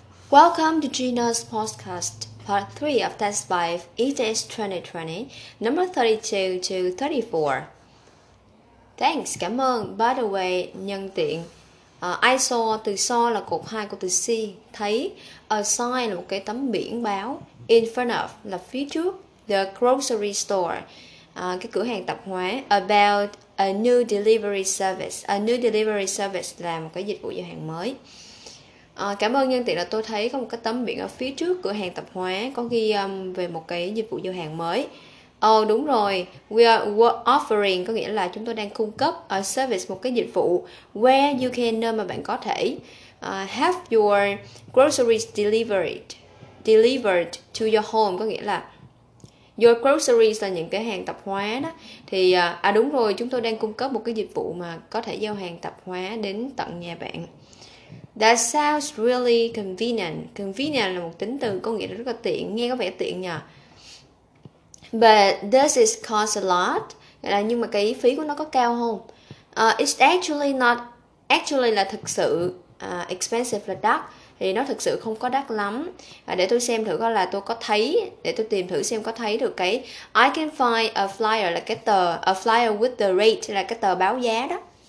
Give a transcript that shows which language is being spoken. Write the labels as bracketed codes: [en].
[en] Welcome to Gina's podcast, part 3 of test 5, It is 2020, number 32 to 34. Thanks, [vi] cảm ơn. [en] By the way, [vi] nhân tiện, [en] I saw, [vi] từ saw là cột 2 của từ see, thấy, [en] a sign [vi] là một cái tấm biển báo, [en] in front of [vi] là phía trước, [en] the grocery store, [vi] cái cửa hàng tạp hóa, [en] about a new delivery service. A new delivery service [vi] là một cái dịch vụ giao hàng mới. Cảm ơn nhân tiện là tôi thấy có một cái tấm biển ở phía trước cửa hàng tạp hóa có ghi về một cái dịch vụ giao hàng mới. Oh, đúng rồi, [en] we are offering [vi] có nghĩa là chúng tôi đang cung cấp [en] a service, [vi] một cái dịch vụ [en] where you can, [vi] mà bạn có thể [en] have your groceries delivered to your home, [vi] có nghĩa là [en] your groceries [vi] là những cái hàng tạp hóa đó. Thì đúng rồi, chúng tôi đang cung cấp một cái dịch vụ mà có thể giao hàng tạp hóa đến tận nhà bạn. [en] That sounds really convenient. [vi] Convenient là một tính từ có nghĩa là rất là tiện, nghe có vẻ tiện nhờ. [en] But does it cost a lot? [vi] Nhưng mà cái phí của nó có cao không? [en] It's actually not, actually [vi] là thực sự, [en] expensive [vi] là đắt. Thì nó thực sự không có đắt lắm. Để tôi xem thử coi là tôi có thấy, để tôi tìm thử xem có thấy được cái [en] I can find a flyer [vi] là cái tờ, [en] a flyer with the rate [vi] là cái tờ báo giá đó.